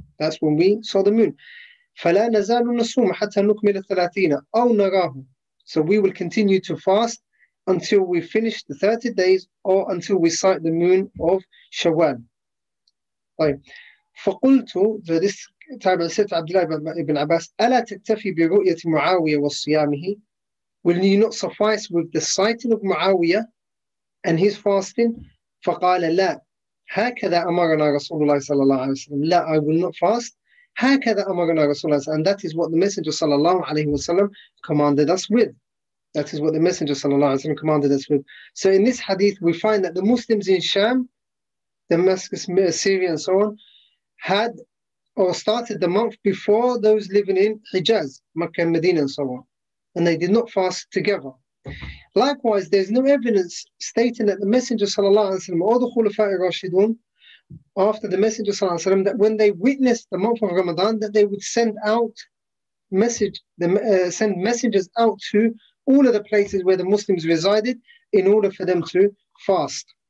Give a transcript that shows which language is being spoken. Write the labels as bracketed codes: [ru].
[en] That's when we saw the moon. [ar] فَلَا نَزَالُ نَصُومَ حَتَّى نُكْمِلَ الثَّلَاثِينَ أَوْ نَرَاهُ, [en] so we will continue to fast until we finish the 30 days or until we sight the moon of Shawwal. [ar] فَقُلْتُ, [en] so this time I said to Abdullah ibn Abbas, [ar] أَلَا تَكْتَفِي بِرُؤْيَةِ مُعَاوِيَ وَصِيَامِهِ, [en] Will you not suffice with the sighting of Muawiyah and his fasting? [ar] فَقَالَ لَا هَكَذَا أَمَرَنَا رَسُولُ اللَّهِ صَلَى اللَّهُ عَلَيْهِ وَسَلَّمُ لَا, [en] I will not fast. [ar] هَكَذَا أَمَرَنَا رَسُولُ اللَّهِ صَلَى اللَّهُ عَلَيْهِ وَسَلَّمُ, [en] and that is what the Messenger صلى الله عليه وسلم commanded us with. That is what the Messenger صلى الله عليه وسلم commanded us with. So in this hadith, we find that the Muslims in Sham, Damascus, Syria, and so on, had or started the month before those living in Hijaz, Mecca and Medina, and so on. And they did not fast together. Likewise, there's no evidence stating that the Messenger sallallahu alaihi wasallam or the Khulafa ar-Rashidun after the Messenger sallallahu alaihi wasallam, that when they witnessed the month of Ramadan, that they would send out send messengers out to all of the places where the Muslims resided in order for them to fast.